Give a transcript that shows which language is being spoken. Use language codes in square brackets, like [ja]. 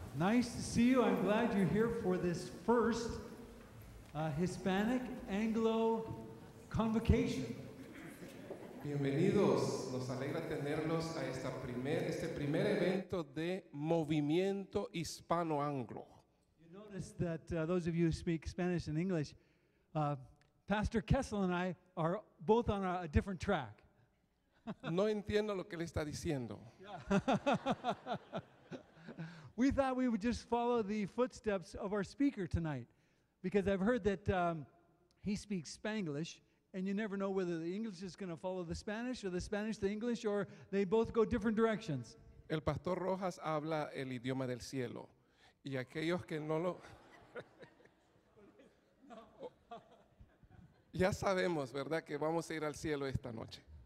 [en] Nice to see you. I'm glad you're here for this first Hispanic Anglo convocation. [es] Bienvenidos. Nos alegra tenerlos a esta este primer evento de Movimiento Hispano Anglo. [en] You notice that those of you who speak Spanish and English, Pastor Kessel and I are both on a different track. [es] No entiendo lo que le está diciendo. [en] We thought we would just follow the footsteps of our speaker tonight, because I've heard that he speaks Spanglish, and you never know whether the English is going to follow the Spanish, or the Spanish the English, or they both go different directions. [es] El Pastor Rojas habla el idioma del cielo, y aquellos que no lo... Ya sabemos, ¿verdad?, que vamos a ir al cielo esta noche.